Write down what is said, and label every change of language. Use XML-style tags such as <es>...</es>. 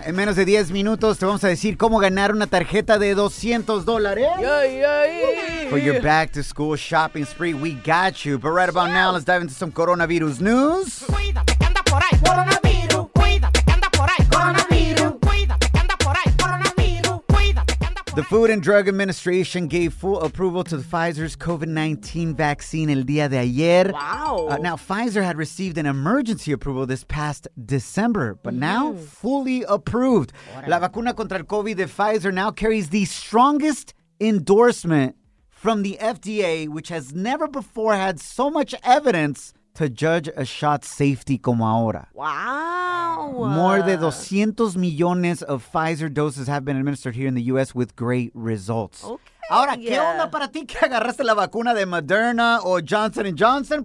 <es>En menos de 10 minutos te vamos a decir cómo ganar una tarjeta de $200. Yay, yay!</es> <en>For your back to school shopping spree, we got you. But right about now, let's dive into some coronavirus news.</en> <es>Cuídate que anda por ahí. Coronavirus. Cuídate que anda por ahí. Coronavirus. Cuídate que anda por ahí. Coronavirus. Cuídate que anda por ahí.</es> <en>The Food and Drug Administration gave full approval to the Pfizer's COVID-19 vaccine</en> <es>el día de ayer.</es> <en>Wow. Now, Pfizer had received an emergency approval this past December, but now fully approved.</en> <es>La vacuna contra el COVID de Pfizer</es> <en>now carries the strongest endorsement from the FDA, which has never before had so much evidence to judge a shot's safety</en> <es>como ahora.</es> <en>Wow. More than 200 millones of Pfizer doses have been administered here in the U.S. with great results. Okay.</en> <es>Ahora, yeah. ¿Qué onda para ti que agarraste la vacuna de Moderna o Johnson & Johnson?</es>